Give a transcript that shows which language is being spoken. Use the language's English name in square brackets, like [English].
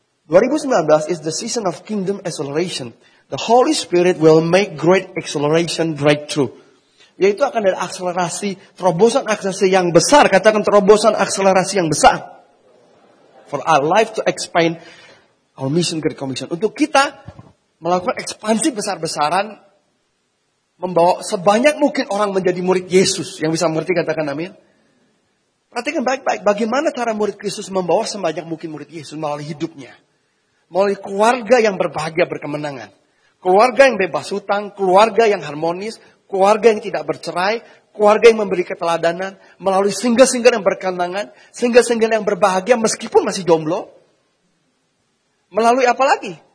[English] 2019 is the season of kingdom acceleration. The Holy Spirit will make great acceleration breakthrough. [Indonesian] Yaitu akan ada akselerasi, terobosan akselerasi yang besar. Katakan terobosan akselerasi yang besar. [English] For our life to expand our mission, great commission. [Indonesian] Untuk kita melakukan ekspansi besar-besaran. Membawa sebanyak mungkin orang menjadi murid Yesus. Yang bisa mengerti katakan amin. Perhatikan baik-baik. Bagaimana cara murid Kristus membawa sebanyak mungkin murid Yesus melalui hidupnya. Melalui keluarga yang berbahagia berkemenangan. Keluarga yang bebas hutang, keluarga yang harmonis, keluarga yang tidak bercerai, keluarga yang memberi keteladanan, melalui single-single yang berkemenangan, single-single yang berbahagia meskipun masih jomblo. Melalui apa lagi?